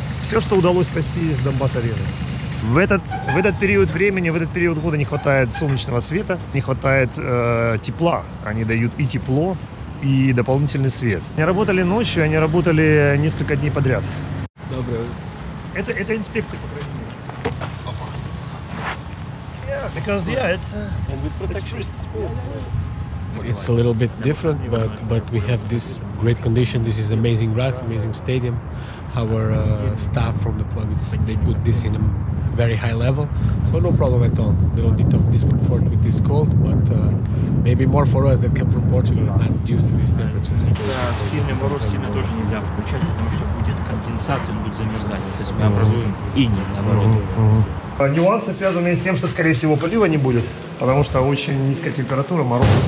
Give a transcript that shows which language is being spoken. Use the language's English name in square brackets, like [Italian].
[Russian] Все, что удалось спасти из Донбасс-арены. В этот период времени, в этот период года не хватает солнечного света, не хватает тепла. Они дают и тепло, и дополнительный свет. Они работали ночью, они работали несколько дней подряд. Доброе утро. Это инспекция, по крайней мере. [English] Опа. Yeah, It's a little bit different, but we have this great condition. This is amazing grass, amazing stadium. Our staff from the club, they put this in a very high level, so no problem at all. A little bit of discomfort with this cold, but maybe more for us that come from Portugal and not used to this temperature. [Russian] Да, сильный мороз сильно тоже нельзя включать, потому что будет конденсат, он будет замерзать, соответственно образуем иней на морозе. Нюансы связаны с тем, что, скорее всего, полива не будет, потому что очень низкая температура, мороз.